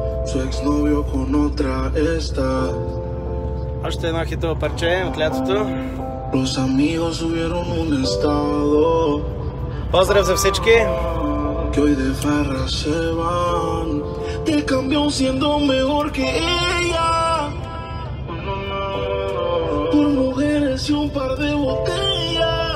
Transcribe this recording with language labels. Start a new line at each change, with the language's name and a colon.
Spanish: Su ex novio con otra está.
Bulgarian: Още едно хитово парче от лятото.
Spanish: Los amigos subieron un estado.
Bulgarian: Поздрав за всички.
Spanish: Que hoy de farra se van. Te cambió siendo mejor que ella. Por mujeres y un par de botellas.